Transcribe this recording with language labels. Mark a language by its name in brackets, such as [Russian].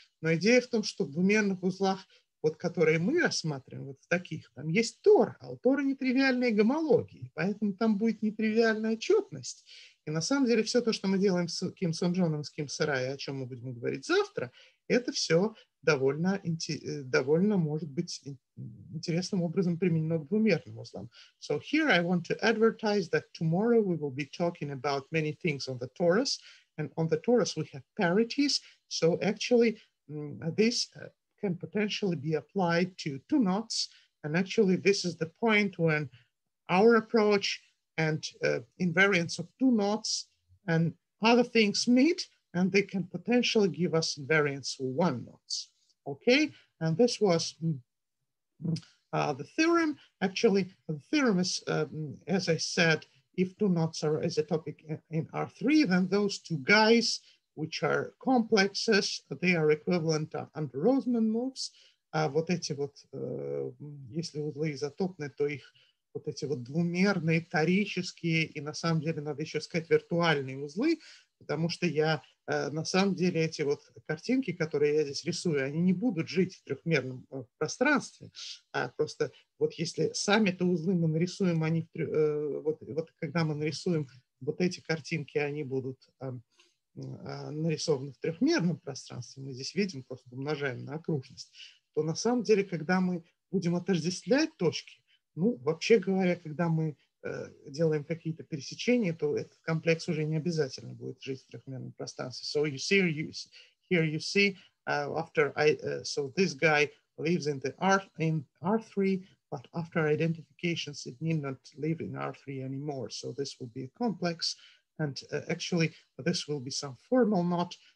[Russian] Но идея в том, что в двумерных узлах, вот которые мы рассматриваем, вот в таких, там есть тор, а у тора нетривиальные гомологии, поэтому там будет нетривиальная четность. И на самом деле все то, что мы делаем с Ким Сон Джоном, с Ким Сарай, о чем мы будем говорить завтра, это все довольно может быть интересным образом применено к двумерным узлам. [English] So here I want to advertise that tomorrow we will be talking about many things on the torus, and on the torus we have parities, so actually this can potentially be applied to two knots, and actually this is the point when our approach and invariance of two knots and other things meet, and they can potentially give us invariance for one knots. Okay, and this was the theorem. Actually, the theorem is, as I said, if two knots are isotopic in R3, then those two guys, which are complexes, they are equivalent under Розман moves. [Russian] Вот эти вот, если узлы изотопны, то их вот эти вот двумерные, торические, и на самом деле надо еще сказать виртуальные узлы, потому что я на самом деле эти вот картинки, которые я здесь рисую, они не будут жить в трехмерном пространстве. А просто вот если сами-то узлы мы нарисуем, они вот когда мы нарисуем вот эти картинки, они будут нарисованы в трехмерном пространстве. Мы здесь видим, просто умножаем на окружность. То на самом деле, когда мы будем отождествлять точки, ну, вообще говоря, когда мы делаем какие-то пересечения, то этот комплекс уже не обязательно будет жить в трехмерном пространстве. [English] So you see, here you see, after I, so this guy lives in the R3, but after identifications, it need not live in R3 anymore. So this will be a complex, and actually, this will be some formal knot.